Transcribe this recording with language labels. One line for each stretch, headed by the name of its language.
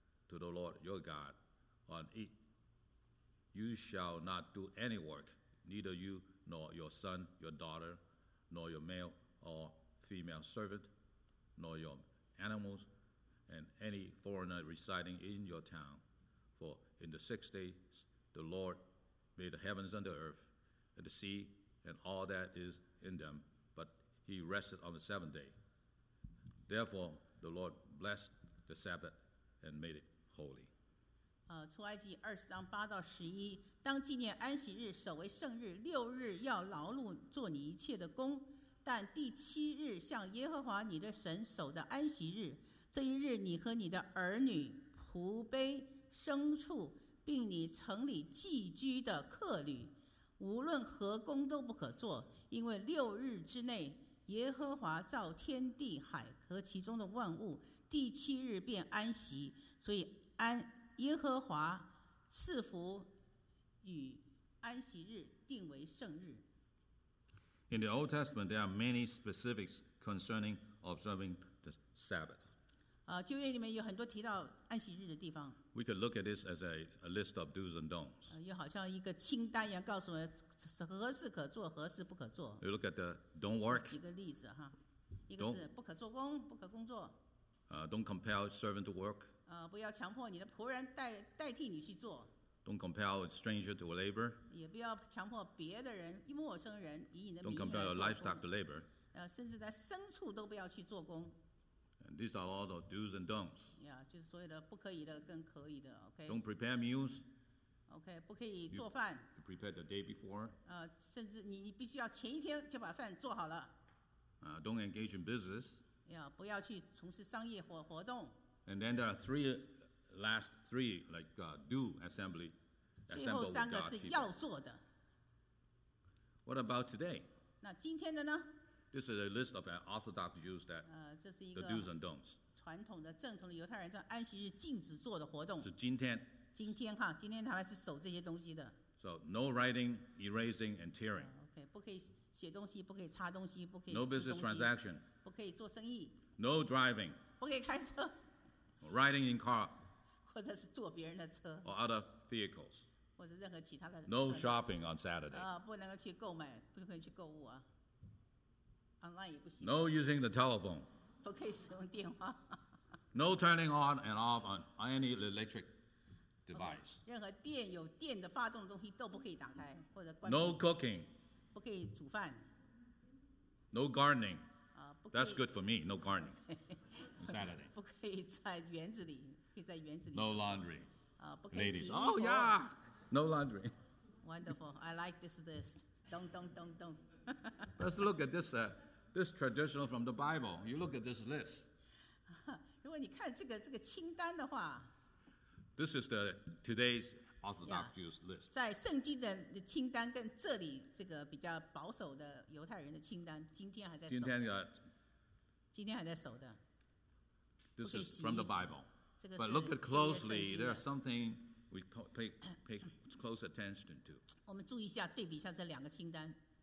English: To the Lord your God, on it you shall not do any work, neither you nor your son, your daughter, nor your male or female servant, nor your animals, and any foreigner residing in your town. For in the 6 days the Lord made the heavens and the earth, and the sea, and all that is in them, but he rested on the seventh day. Therefore the Lord blessed the Sabbath and made it.
Chinese: 出埃及20:8-11，当纪念安息日，守为圣日。六日要劳碌做你一切的工，但第七日向耶和华你的神守的安息日。这一日，你和你的儿女、仆婢、牲畜，并你城里寄居的客旅，无论何工都不可做，因为六日之内，耶和华造天地海和其中的万物，第七日便安息。所以耶和华赐福与安息日定为圣日。
English: In the Old Testament, there are many specifics concerning observing the Sabbath.
Chinese: 旧约里面有很多提到安息日的地方。
English: We could look at this as a list of do's and don'ts.
Chinese: 又好像一个清单一样，告诉我们何事可做，何事不可做。
English: You look at the don't work.
Chinese: 几个例子哈，一个是不可做工，不可工作。
English: Don't compel servant to work.
Chinese: 不要强迫你的仆人代替你去做。
English: Don't compel a stranger to labor.
Chinese: 也不要强迫别的人，陌生人以你的名义来做工。
English: Don't compel your livestock to labor.
Chinese: 甚至在牲畜都不要去做工。
English: And these are all the do's and don'ts.
Chinese: Yeah, 就是所有的不可以的跟可以的 okay?
English: Don't prepare meals.
Chinese: Okay, 不可以做饭。
English: You prepare the day before.
Chinese: 甚至你必须要前一天就把饭做好了。
English: Don't engage in business.
Chinese: Yeah, 不要去从事商业或活动。
English: And then there are last three, like do assembly.
Chinese: 最后三个是要做的。
English: What about today?
Chinese: 那今天的呢？
English: This is a list of Orthodox Jews that the do's and don'ts.
Chinese: 传统的正统的犹太人在安息日禁止做的活动。是今天。今天哈，今天他们是守这些东西的。
English: So no writing, erasing, and tearing.
Chinese: Okay, 不可以写东西，不可以擦东西，不可以。
English: No business transaction.
Chinese: 不可以做生意。
English: No driving.
Chinese: 不可以开车。
English: Riding in car.
Chinese: 或者是坐别人的车。
English: Or other vehicles.
Chinese: 或者任何其他的。
English: No shopping on Saturday.
Chinese: 不能够去购买，不可以去购物啊。
English: No using the telephone.
Chinese: 不可以使用电话。
English: No turning on and off on any electric device.
Chinese: Okay, 任何电有电的发动的东西都不可以打开或者关。
English: No cooking.
Chinese: 不可以煮饭。
English: No gardening.
Chinese: 不可以。
English: That's good for me. No gardening. Saturday.
Chinese: 不可以在园子里，可以在园子里。
English: No laundry.
Chinese: 不可以洗衣服。
English: Ladies, oh yeah. No laundry. Wonderful. I like this list. Don't. Let's look at this. This traditional from the Bible. You look at this list.
Chinese: 如果你看这个清单的话，
English: this is the today's Orthodox Jews list.
Chinese: 在圣经的清单跟这里这个比较保守的犹太人的清单，今天还在守。今天还在守的。
English: This is from the Bible. But look at closely. There are something we pay close attention to.
Chinese: 我们注意一下，对比一下这两个清单。